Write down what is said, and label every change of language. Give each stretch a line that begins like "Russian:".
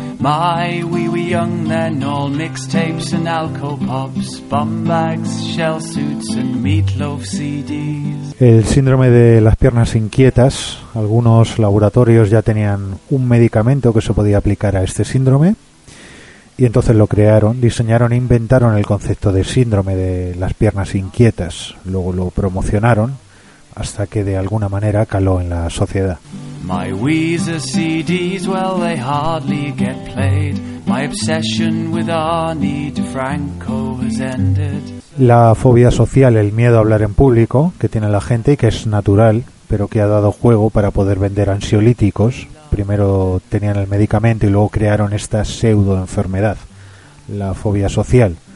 English: My, we were young then, all mixtapes and alcopops, bum bags, shell suits and meatloaf CDs.
Spanish: El síndrome de las piernas inquietas. Algunos laboratorios ya tenían un medicamento que se podía aplicar a este síndrome. Y entonces lo crearon, diseñaron e inventaron el concepto de síndrome de las piernas inquietas. Luego lo promocionaron hasta que de alguna manera caló en la sociedad.
English: My Weezer CDs, well, they hardly get played. My obsession with Arnie DeFranco has ended.
Spanish: La fobia social, el miedo a hablar en público, que tiene la gente y que es natural, pero que ha dado juego para poder vender ansiolíticos. Primero tenían el medicamento y luego crearon esta pseudo enfermedad, la fobia social.